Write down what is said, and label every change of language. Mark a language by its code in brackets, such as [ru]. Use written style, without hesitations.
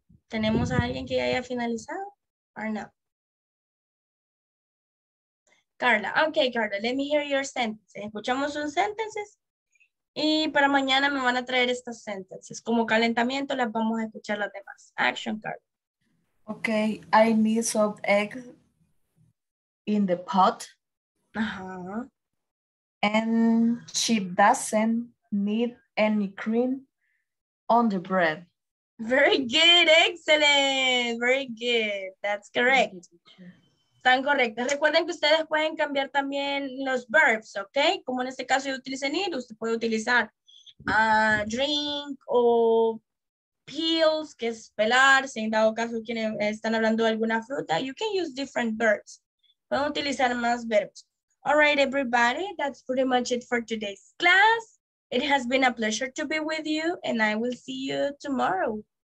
[es] ¿Tenemos a alguien que ya haya finalizado? [en] Or no? Carla. Okay, Carla. Let me hear your sentence. [es] Escuchamos sus sentences. Y para mañana me van a traer estas sentences. Como calentamiento, las vamos a escuchar las demás. [en] Action, Carla. Okay. I need soft eggs in the pot. Uh-huh. And she doesn't need any cream on the bread. Very good, excellent, very good. That's correct. [es] Están correctas. Recuerden que ustedes pueden cambiar también los verbs, ¿ok? Como en este caso yo utilicé need, usted puede utilizar drink o peels, que es pelar, si en dado caso quienes están hablando de alguna fruta. [en] You can use different verbs. [es] Pueden utilizar más verbs. [en] All right, everybody, that's pretty much it for today's class. It has been a pleasure to be with you, and I will see you tomorrow.